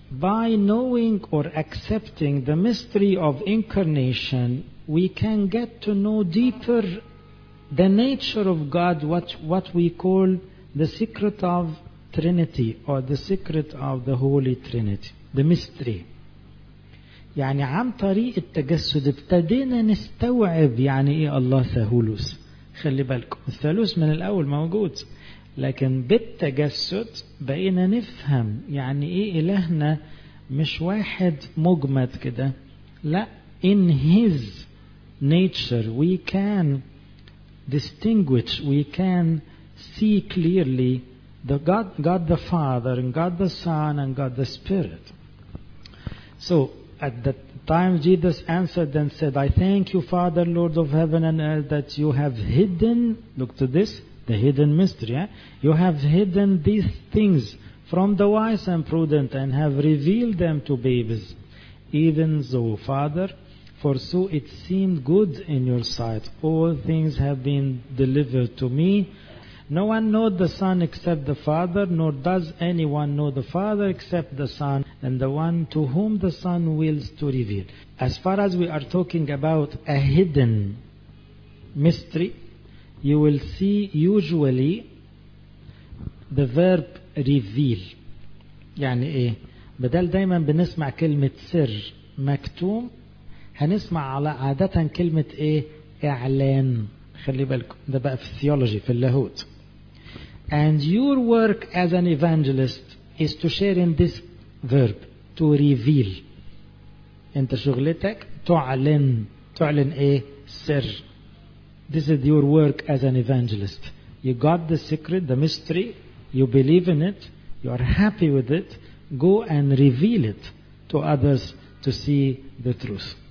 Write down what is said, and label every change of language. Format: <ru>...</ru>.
<en>By knowing or accepting the mystery of incarnation, we can get to know deeper the nature of God, what we call the secret of Trinity or the secret of the Holy Trinity, the mystery.</en> <ar>يعني عن طريق التجسد ابتدينا نستوعب يعني ايه الله ثالوث. خلي بالكم الثالوث من الاول موجود، لكن بالتجسد بقينا نفهم يعني ايه الهنا مش واحد مجمد كده، لا.</ar> <en>In his nature we can distinguish, we can see clearly the God the Father and God the Son and God the Spirit. So at that time Jesus answered and said, I thank you Father, Lord of heaven and earth, that you have hidden, look to this, the hidden mystery, eh? You have hidden these things from the wise and prudent and have revealed them to babes. Even so, Father, for so it seemed good in your sight. All things have been delivered to me. No one knows the Son except the Father, nor does anyone know the Father except the Son and the one to whom the Son wills to reveal. As far as we are talking about a hidden mystery, you will see usually the verb reveal.</en> <ar>يعني ايه؟ بدل دايما بنسمع كلمة سر مكتوم، هنسمع على عادة كلمة ايه؟ اعلان. خلي بالكم ده بقى في الثيولوجي في اللاهوت.</ar> <en>And your work as an evangelist is to share in this verb, to reveal.</en> <ar>انت شغلتك تعلن. تعلن ايه؟ سر.</ar> <en>This is your work as an evangelist. You got the secret, the mystery, you believe in it, you are happy with it, go and reveal it to others to see the truth.</en>